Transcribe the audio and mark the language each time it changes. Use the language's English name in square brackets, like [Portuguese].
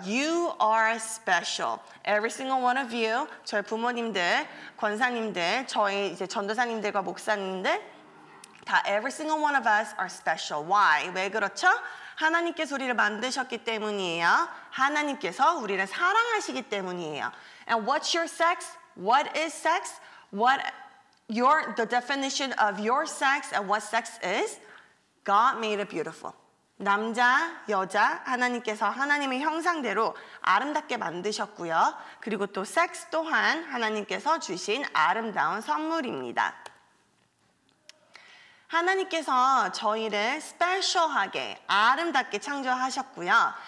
[English] You are special. Every single one of you, [Korean] 저희 부모님들, 권사님들, 저희 이제 전도사님들과 목사님들 다 [English] every single one of us are special. Why? [Korean] 왜 그렇죠? 하나님께서 우리를 만드셨기 때문이에요. 하나님께서 우리를 사랑하시기 때문이에요. [English] And what's your sex? What is sex? What your the definition of your sex and what sex is? God made it beautiful. [Korean] 남자, 여자, 하나님께서 하나님의 형상대로 아름답게 만드셨고요. 그리고 또 sex 또한 하나님께서 주신 아름다운 선물입니다. 하나님께서 저희를 스페셜하게 아름답게 창조하셨고요.